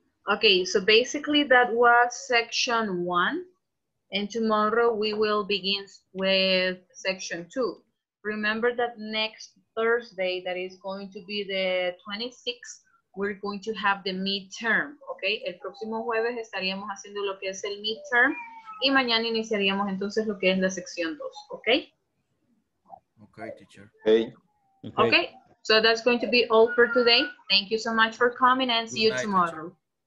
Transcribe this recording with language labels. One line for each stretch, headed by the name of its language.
English: Okay, so basically that was section one, and tomorrow we will begin with section two. Remember that next Thursday, that is going to be the 26th, we're going to have the midterm, okay?
Spanish: El próximo jueves estaríamos haciendo lo que es el midterm y mañana iniciaríamos entonces lo que es la sección 2, okay?
English: Okay, teacher. Hey. Okay, so that's going to be all for today. Thank you so much for coming and see you tomorrow.